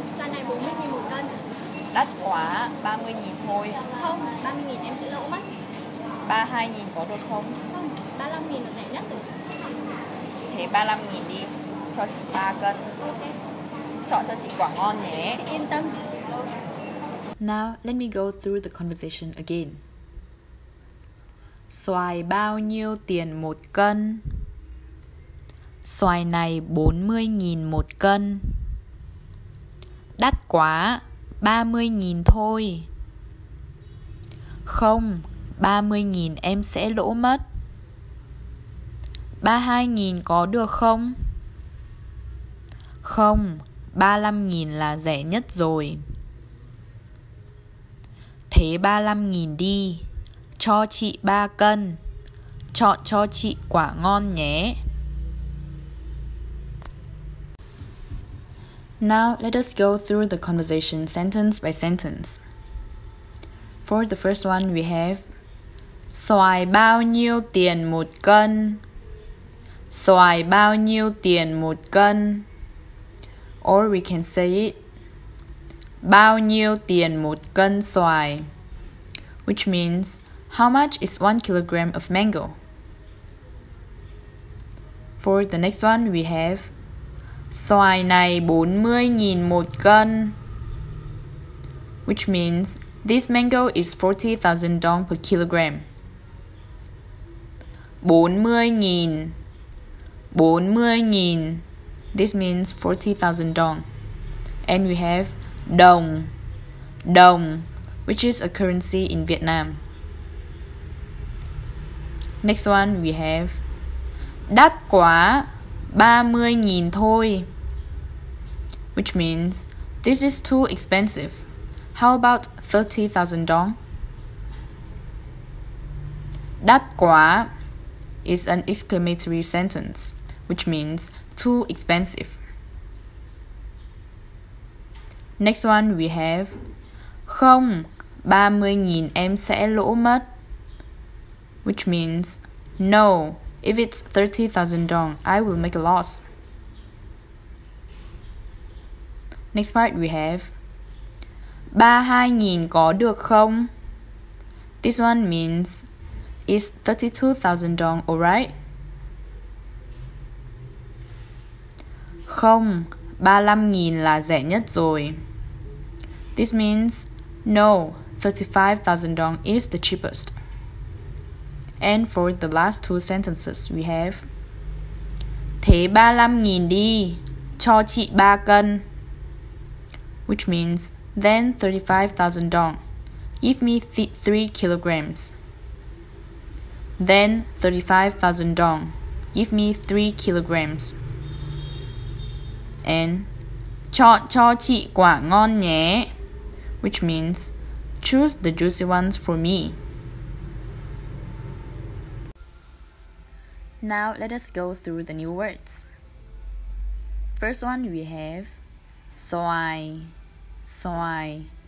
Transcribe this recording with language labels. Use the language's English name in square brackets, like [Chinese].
[Vietnamese] Xoài này 40.000 một cân. Đắt quá, 30.000 thôi. Không, 30.000 em sẽ lỗ mất. 32.000 có được không? Không, 35.000 là rẻ nhất rồi. Thế 35.000 đi, cho chị 3 cân. Ok. Chọn cho chị quả ngon nhé. Chị yên tâm. [English] Now, let me go through the conversation again. [Vietnamese] Xoài bao nhiêu tiền một cân? Xoài này 40.000 một cân. Đắt quá, 30.000 thôi. Không, 30.000 em sẽ lỗ mất. 32.000 có được không? Không, 35.000 là rẻ nhất rồi. Thế 35.000 đi, cho chị 3 cân. Chọn cho chị quả ngon nhé. [English] Now, let us go through the conversation sentence by sentence. For the first one, we have [Vietnamese] Xoài bao nhiêu tiền một cân? Xoài bao nhiêu tiền một cân? [English] Or we can say it [Vietnamese] Bao nhiêu tiền một cân xoài? [English] Which means, how much is 1 kilogram of mango? For the next one, we have [Vietnamese] Xoài này 40.000 một cân. [English] Which means, this mango is 40,000 dong per kilogram. [Vietnamese] 40.000. 40.000. [English] This means 40,000 dong. And we have đồng. Đồng, which is a currency in Vietnam. Next one, we have [Vietnamese] đắt quá, 30.000 thôi. [English] Which means, this is too expensive. How about 30,000 dong? [Vietnamese] Đắt quá [English] is an exclamatory sentence, which means too expensive. Next one we have, [Vietnamese] không, 30.000 em sẽ lỗ mất. [English] Which means, no, if it's 30,000 dong, I will make a loss. Next part we have [Vietnamese] 32.000 có được không? [English] This one means is 32,000 dong alright? [Vietnamese] Không, 35.000 là rẻ nhất rồi. [English] This means no, 35,000 dong is the cheapest. And for the last two sentences we have [Vietnamese] Thế 35.000 đi, cho chị 3 cân. [English] Which means, then 35,000 dong. Give me 3 kilograms. Then 35,000 dong. Give me 3 kilograms. [Vietnamese] And chọn cho chị quả ngon nhé. [English] Which means, choose the juicy ones for me. Now let us go through the new words. First one we have xoài. Xoài.